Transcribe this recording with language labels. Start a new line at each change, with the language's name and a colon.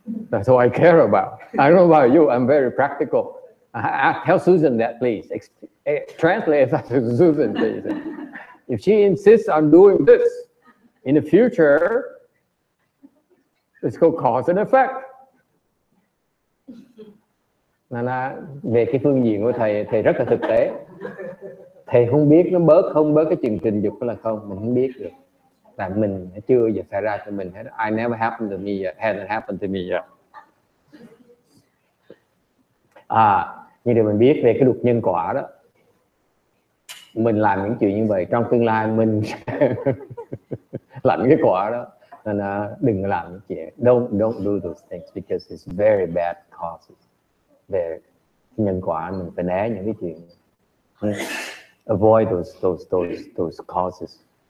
English: That's all I care about. I don't know about you. I'm very practical. Tell Susan that, please. Translate that to Susan, please. If she insists on doing this in the future, it's called cause and effect.
Vietnamese: Nên là về cái phương diện của thầy, thầy rất là thực tế. Thầy không biết nó bớt không bớt cái chừng tình dục là không, mình không biết được. Tại mình nó chưa giờ xảy ra cho mình hết.
English: I never happened to me yet, hasn't happened to me yet.
Vietnamese: À, như điều mình biết về cái luật nhân quả đó. Mình làm những chuyện như vậy trong tương lai mình lãnh cái quả đó. Nên là đừng làm những chuyện.
English: Don't do those things because it's very bad causes.
Vietnamese: Về nhân quả mình phải né những cái chuyện
English: avoid those causes.